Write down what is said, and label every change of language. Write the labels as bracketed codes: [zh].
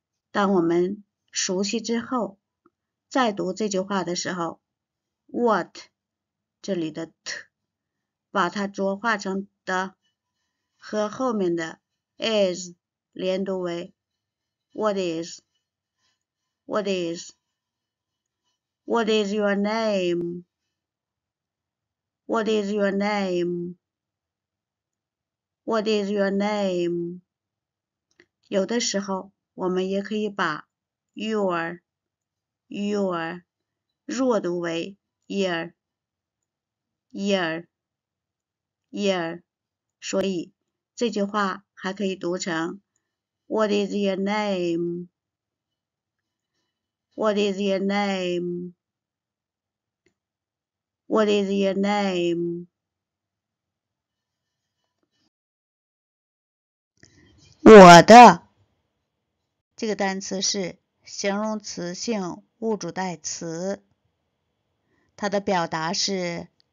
[zh] 当我们熟悉之后，再读这句话的时候，what 这里的 t 把它浊化成的和后面的 is 连读为 [en] what is，what is，what is your name，what is your name，what is your name？ [zh] 有的时候我们也可以把Your 弱读为 ear，所以这句话还可以读成 [en] What is your name？What is your name？ [zh] What is your name？我的这个单词是形容词性物主代词，它的表达是